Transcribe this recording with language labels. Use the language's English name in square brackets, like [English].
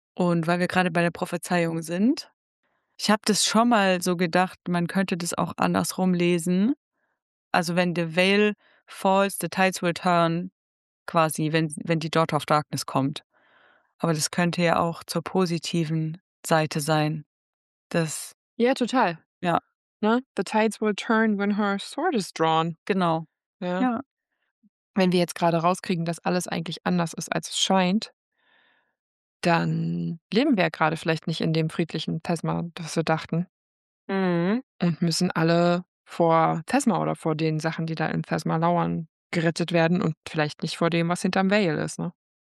[German] Und weil wir gerade bei der Prophezeiung sind, ich habe das schon mal so gedacht, man könnte das auch andersrum lesen. Also wenn [English] the veil falls, the tides will turn, [German] quasi, wenn die Daughter of Darkness kommt. Aber das könnte ja auch zur positiven Seite sein. Das. Ja, total. Ja. Ne? [English] The tides will turn when her sword is drawn. [German] Genau. Ja. Wenn wir jetzt gerade rauskriegen, dass alles eigentlich anders ist, als es scheint, dann leben wir ja gerade vielleicht nicht in dem friedlichen Thesma, das wir dachten. Mhm. Und müssen alle vor Thesma oder vor den Sachen, die da in Thesma lauern, gerettet werden und vielleicht nicht vor dem, was hinterm Veil ist, ne?